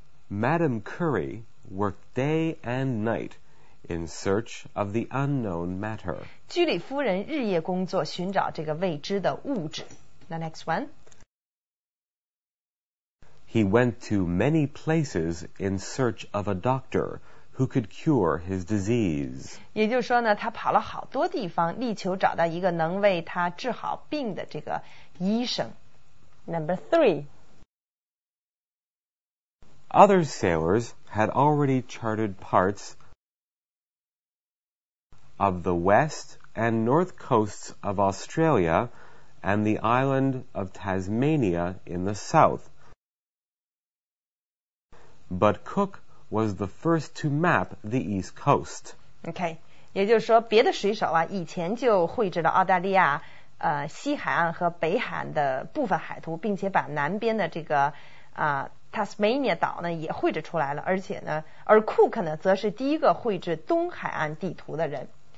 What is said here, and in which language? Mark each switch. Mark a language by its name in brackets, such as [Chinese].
[English] Madame Curry worked day and night in search of the unknown matter. [Chinese] 居里夫人日夜工作，寻找这个未知的物质。 [English] The next one. He went to many places in search of a doctor who could cure his disease. [Chinese] 也就是说呢，他跑了好多地方，力求找到一个能为他治好病的这个医生。 [English] Number three. Other sailors had already charted parts of the west and north coasts of Australia and the island of Tasmania in the south. But Cook was the first to map the east coast. [Chinese] Okay, 也就是说别的水手啊以前就绘制了澳大利亚西海岸和北海岸的部分海图并且把南边的这个Tasmania 岛呢也绘制出来了，而且呢，而 Cook 呢则是第一个绘制东海岸地图的人。